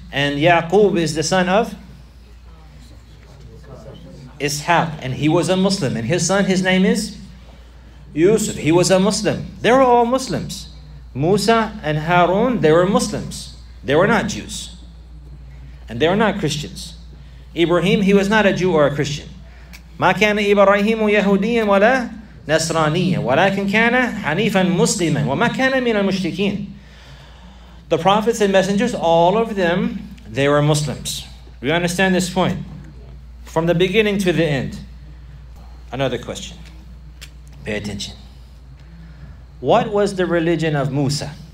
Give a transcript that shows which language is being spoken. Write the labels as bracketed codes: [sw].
[en] And Yaqub is the son of Ishaq. And he was a Muslim. And his son, his name is Yusuf, he was a Muslim. They were all Muslims. Musa and Harun, they were Muslims. They were not Jews. And they were not Christians. Ibrahim, he was not a Jew or a Christian. [ar] ما كان إبراهيم يهوديا ولا نصرانيا ولكن كان حنيفا مسلما وما كان من المشركين. [en] The prophets and messengers, all of them, they were Muslims. We understand this point from the beginning to the end. Another question. Pay attention. What was the religion of Musa?